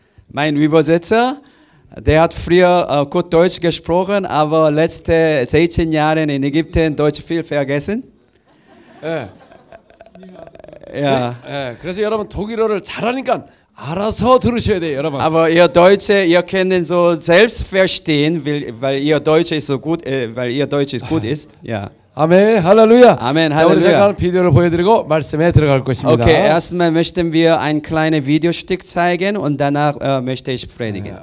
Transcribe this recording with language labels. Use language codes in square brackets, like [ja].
[de] Mein Übersetzer, der hat früher gut Deutsch gesprochen, aber letzte 16 Jahre in Ägypten Deutsch viel vergessen. [ko] 예. 예. 예. 그래서 여러분 독일어를 잘하니까 알아서 들으셔야 돼요, 여러분. [de] Aber ihr Deutsche, ihr könnt ihn so selbst verstehen, weil ihr Deutsch ist so gut, weil ihr Deutsch ist gut ist. Ja. Amen. Halleluja. Amen. Halleluja. [ko] 자, 우리 잠깐 비디오를 보여 드리고 말씀에 들어갈 것입니다. [de] Okay, erstmal möchten wir ein kleines Videostück zeigen und danach möchte ich predigen.